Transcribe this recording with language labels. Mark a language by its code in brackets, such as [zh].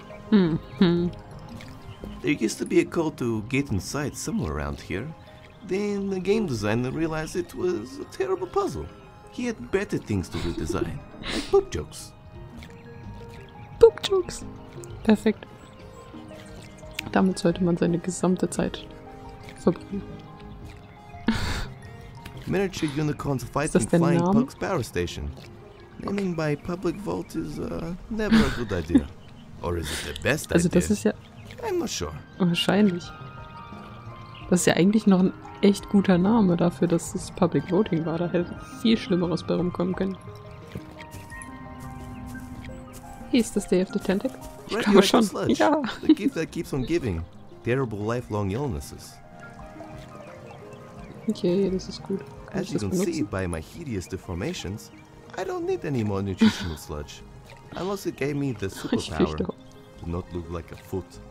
[en] There used to be a code to get inside somewhere around here. Then the game designer realized it was a terrible puzzle. He had better things to redesign, like poop jokes. Poop jokes. Perfekt. [de] Damit sollte man seine gesamte Zeit verbringen. [en] Miniature unicorns fighting flying pugs power station. Naming by public vote is never a good idea. Or is it the best [de] also [en] idea? [de] Also das ist ja... [en] I'm not sure. [de] Wahrscheinlich. Das ist ja eigentlich noch ein echt guter Name dafür, dass es Public Voting war. Da hätte viel Schlimmeres bei rumkommen können. Hey, ist das Day of the Tentac? Ich glaube schon. Ja. [en] The gift that keeps on giving. Terrible lifelong illnesses. [de] Okay, das ist gut. [en] As you can see by my hideous deformations, I don't need any more nutritional sludge. Unless it gave me the superpower to not look like a foot.